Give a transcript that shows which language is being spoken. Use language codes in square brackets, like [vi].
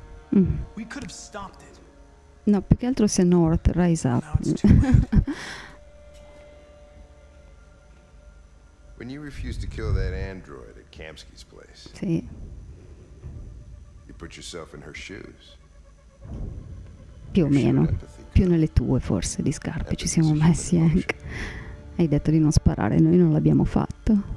[en] We could have stopped it. [it] No, più che altro se North [en] rise up. When you refused to kill that android at Kamsky's place. [it] Sì. [en] You put yourself in her shoes. [it] Più o meno. Più nelle tue forse di scarpe ci siamo messi anche. Hai detto di non sparare, noi non l'abbiamo fatto.